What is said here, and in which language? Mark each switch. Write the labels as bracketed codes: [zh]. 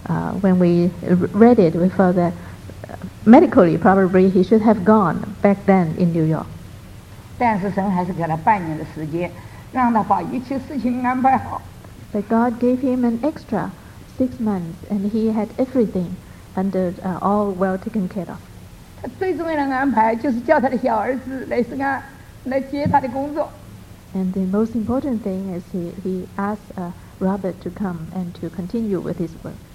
[en] When we read it, we thought that medically, probably he should have gone back then in New York. [zh] 但是神还是给他半年的时间让他把一切事情安排好 [en] But God gave him an extra 6 months and he had everything under、all well taken care of [zh] 他最重要的安排就是叫他的小儿子雷斯安来接他的工作 [en] And the most important thing is he asked Robert to come and to continue with his work